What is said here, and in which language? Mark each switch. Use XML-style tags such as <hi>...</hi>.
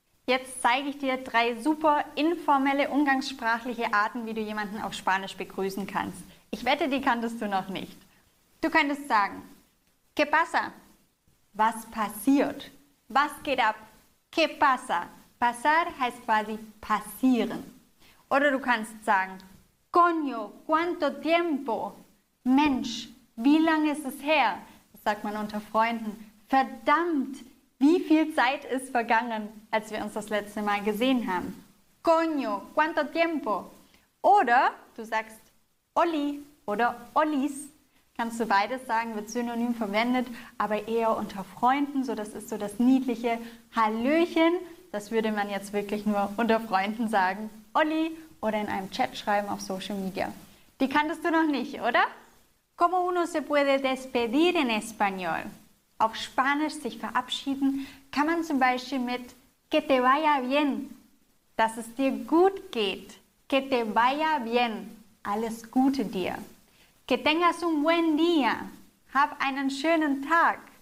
<de>Jetzt zeige ich dir drei super informelle umgangssprachliche Arten, wie du jemanden auf Spanisch begrüßen kannst. Ich wette, die kanntest du noch nicht. Du könntest sagen,</de> <es>¿Qué pasa?</es> <de>Was passiert? Was geht ab?</de> <es>¿Qué pasa?</es> <de>Pasar heißt quasi passieren. Oder du kannst sagen,</de> <es>Coño, ¿cuánto tiempo?</es> <de>Mensch, wie lange ist es her? Das sagt man unter Freunden. Verdammt, wie viel Zeit ist vergangen, als wir uns das letzte Mal gesehen haben?</de> <es>Coño, ¿cuánto tiempo?</es> <de>Oder du sagst Olli oder Ollis. Kannst du beides sagen, wird synonym verwendet, aber eher unter Freunden. So, das ist so das niedliche Hallöchen. Das würde man jetzt wirklich nur unter Freunden sagen. Olli oder in einem Chat schreiben auf Social Media. Die kanntest du noch nicht, oder?</de> <es>¿Cómo uno se puede despedir en español?</es> <de>Auf Spanisch sich verabschieden kann man zum Beispiel mit</de> <es>que te vaya bien,</es> <de>dass es dir gut geht.</de> <es>Que te vaya bien,</es> <de>alles Gute dir.</de> <es>Que tengas un buen día,</es> <de>hab einen schönen Tag.</de>